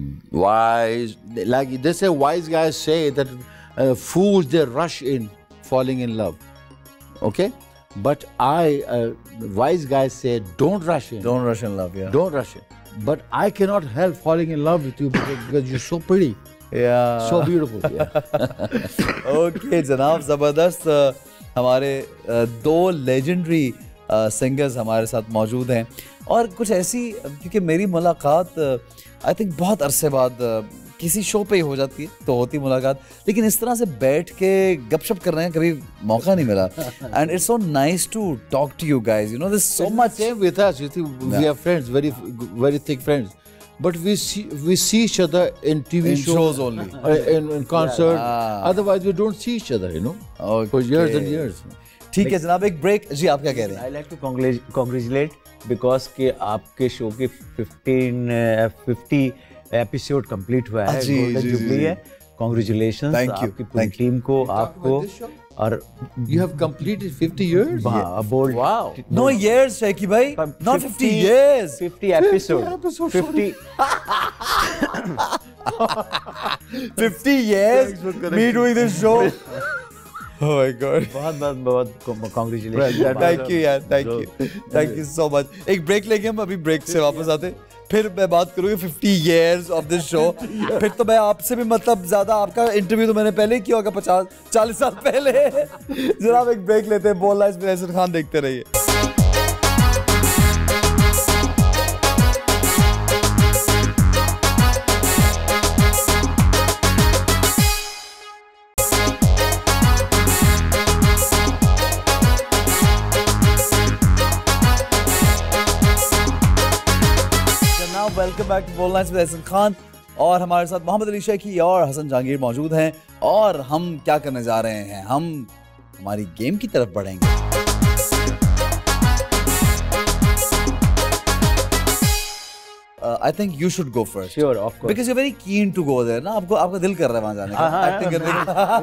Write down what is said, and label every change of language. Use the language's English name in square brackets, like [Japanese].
[English] Wise, like they say, wise guys say that fools they rush in falling in love. Okay? But I, wise guys say, don't rush in. Don't rush in love, yeah. Don't rush in. But I cannot help falling in love with you because you're so pretty. Yeah. So beautiful, yeah. [Hindi] Okay, Janab, Zabardast. हमारे दो legendary singers हमारे साथ मौजूद हैं और कुछ ऐसी क्योंकि मेरी मुलाकात [English] I think [Hindi] बहुत अरसे बाद किसी शो पे ही हो जाती है तो होती मुलाकात लेकिन इस तरह से बैठ के गपशप कर रहे हैं कभी मौका नहीं मिला [English] And it's so nice to talk to you guys you know this so much with us you think we are friends very very thick friends But we see each other in TV in shows only. In concert. Yeah. Otherwise, we don't see each other, you know, okay. for years and years. [Hindi] ठीक है जनाब एक break जी आप क्या कह रहे हैं? [English] I like to congratulate because [Hindi] के आपके शो के 50 एपिसोड कंप्लीट हुआ है जी, गोल्डन जुबली है. Congratulations. [English] Thank you. [Hindi] आपकी पूरी टीम को आपको और [English] you have completed 50 years. Bold. Wow. No years, Shehki bhai. Not 50 years. 50 episodes. 50. 50 years. Me doing this show. Oh my God. [Hindi] बहुत congratulations. [English] Thank you, yeah. Thank you. Thank you so much. [Hindi] एक break लेंगे हम अभी break से वापस आते हैं. फिर मैं बात करूंगी [English] 50 years of this show. [Hindi] फिर तो मैं आपसे भी मतलब ज्यादा आपका इंटरव्यू तो मैंने पहले ही किया होगा 40 साल पहले. जरा एक ब्रेक लेते हैं. बोल लाइव विद अहसन खान देखते रहिए. [English] Welcome back to BOL Nights with Ahsan Khan. [Hindi] और हमारे साथ मोहम्मद अली शेखी और हसन जहांगीर मौजूद हैं और हम क्या करने जा रहे हैं हम हमारी गेम की तरफ बढ़ेंगे [English] I think you should go first. Sure, of course. Because you're very keen to go there, [Hindi] ना आपको आपका दिल कर रहा है वहाँ जाने का.